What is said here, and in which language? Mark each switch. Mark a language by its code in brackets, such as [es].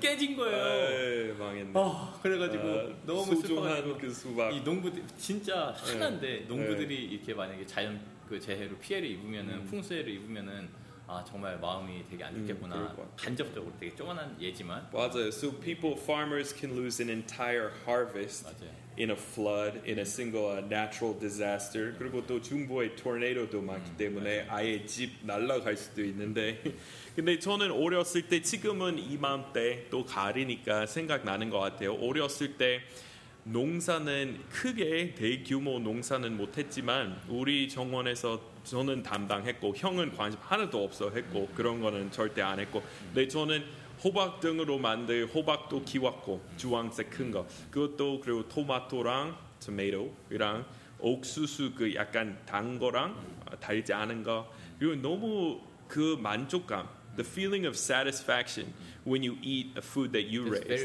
[ko] 깨진 거예요. 에이, 망했네. 어, 그래가지고 아, 너무 소중한 그 수박. 이 농부들 진짜 하나인데 네. 농부들이 네. 이렇게 만약에 자연 그 재해로 피해를 입으면은 풍수해를 입으면은 아 정말 마음이 되게 안 좋겠구나. 간접적으로 되게 조그만한 예지만 맞아요. [en] So people, farmers can lose an entire harvest [ko] 맞아요. [en] in a flood, in a single natural disaster. [ko] 그리고 또 중부에 토네이도도 많기 때문에 맞아요. 아예 집 날아갈 수도 있는데 근데 저는 어렸을 때 지금은 이맘때 또 가을이니까 생각나는 것 같아요. 어렸을 때 농사는 크게 대규모 농사는 못했지만 우리 정원에서 저는 담당했고 형은 관심 하나도 없어 했고 그런 거는 절대 안 했고 근데 저는 호박 등으로 만들 호박도 키웠고 주황색 큰 거 그것도 그리고 토마토랑 토마토랑 옥수수 그 약간 단 거랑 달지 않은 거 그리고 너무 그 만족감 [en] the feeling of satisfaction when you eat a food that you raised